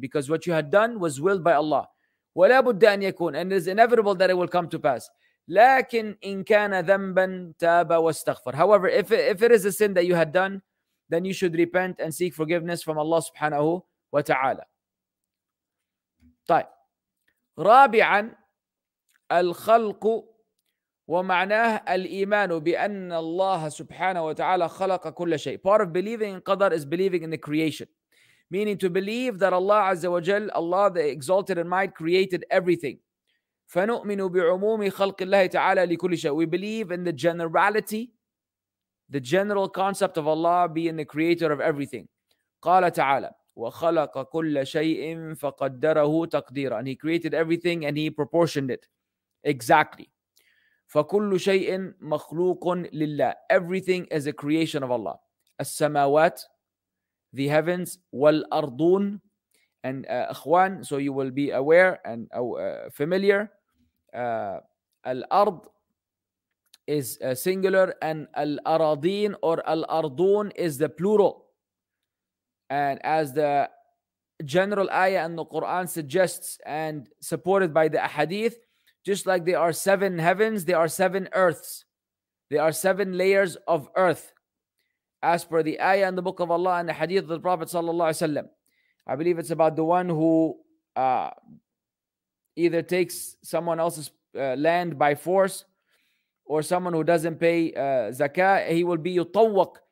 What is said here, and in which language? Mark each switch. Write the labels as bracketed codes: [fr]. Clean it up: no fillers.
[en] Because what you had done was willed by Allah. [ar] وَلَا بُدَّ أَنْ يَكُونَ. [en] And it is inevitable that it will come to pass. [ar] لَكِنْ إِنْ كَانَ ذَنْبًا تَابَ وَاسْتَغْفَرْ. [en] However, if it is a sin that you had done, then you should repent and seek forgiveness from Allah subhanahu wa ta'ala. [ar] طيب. رابعاً, الخلقُ ومعناه الإيمان بأن الله سبحانه وتعالى خلق كل شيء. [en] Part of believing in Qadr is believing in the creation. Meaning to believe that Allah Azza wa Jal, Allah the Exalted and Might, created everything. [ar] فنؤمن بعموم خلق الله تعالى لكل شيء. [en] We believe in the generality, the general concept of Allah being the creator of everything. [ar] قال تعالى وخلق كل شيء فقدره تقديرا. [en] And He created everything and He proportioned it. [ar] Exactly. فكل شيء مخلوق لله. [en] Everything is a creation of Allah. [ar] السماوات, [en] the heavens, [ar] والأرضون. [en] And أخوان, so you will be aware and familiar. الأرض is singular, and الأراضين or الأرضون is the plural. And as the general ayah in the Quran suggests and supported by the Ahadeeth, just like there are seven heavens, there are seven earths. There are seven layers of earth. As per the ayah in the book of Allah and the hadith of the Prophet sallallahu alaihi wasallam, I believe it's about the one who either takes someone else's land by force or someone who doesn't pay zakah, he will be yutawwaq.